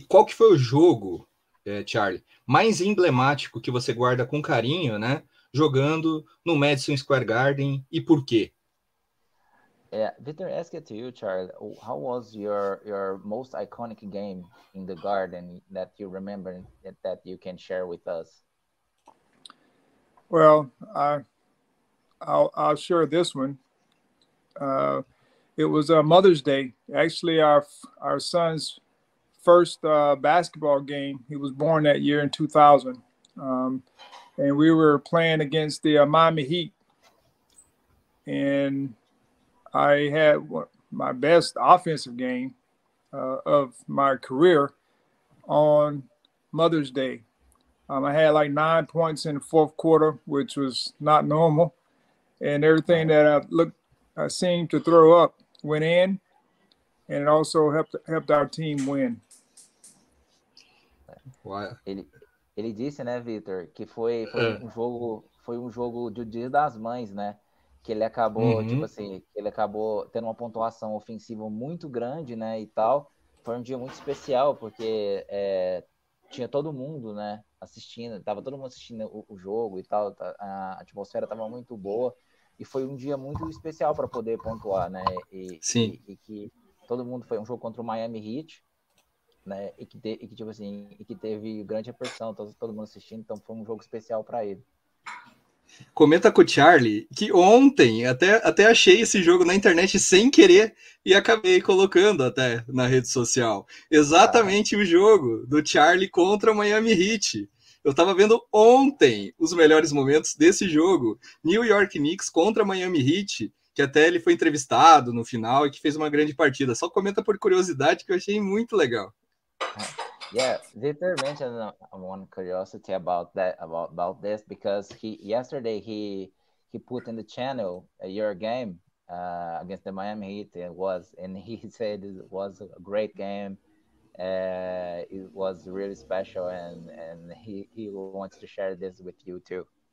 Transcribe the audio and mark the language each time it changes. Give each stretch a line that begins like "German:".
Portuguese: qual que foi o jogo, Charlie, mais emblemático que você guarda com carinho, né, jogando no Madison Square Garden e por quê?
English: Victor, ask it to you, Charlie. How was your most iconic game in the Garden that you remember that you can share with us? Well, I'll share this one. It was a Mother's Day. Actually, our son's first basketball game. He was born that year in 2000. And we were playing against the Miami Heat. And I had my best offensive game of my career on Mother's Day. I had like 9 points in the fourth quarter, which was not normal. And everything that I seemed to throw up went in, and it also helped our team win.
Portuguese: Ele disse, né, Victor, que foi um jogo de Dia das Mães, né? Que ele acabou, tipo assim, ele acabou tendo uma pontuação ofensiva muito grande, né, e tal. Foi um dia muito especial, porque tinha todo mundo, né, assistindo, tava todo mundo assistindo o jogo e tal, a atmosfera tava muito boa, e foi um dia muito especial para poder pontuar, né, e que todo mundo, foi um jogo contra o Miami Heat, né, e que teve grande repercussão, todo mundo assistindo, então foi um jogo especial para ele. Comenta com o Charlie que ontem até achei esse jogo na internet sem querer e acabei colocando até na rede social. Exatamente o jogo do Charlie contra o Miami Heat. Eu estava vendo ontem os melhores momentos desse jogo. New York Knicks contra Miami Heat, que até ele foi entrevistado no final e que fez uma grande partida. Só comenta por curiosidade que eu achei muito legal.
English: Yeah, Victor mentioned one curiosity about that, about this, because yesterday he put in the channel your game against the Miami Heat, and he said it was a great game, it was really special, and he wants to share this with you too.